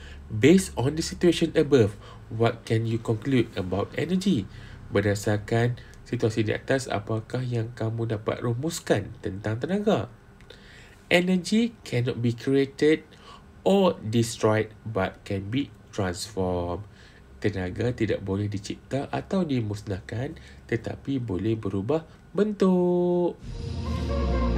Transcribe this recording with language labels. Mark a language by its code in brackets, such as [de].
[en] Based on the situation above, what can you conclude about energy? [ms] Berdasarkan situasi di atas, apakah yang kamu dapat rumuskan tentang tenaga? [en] Energy cannot be created or destroyed but can be transformed. [ms] Tenaga tidak boleh dicipta atau dimusnahkan tetapi boleh berubah bentuk.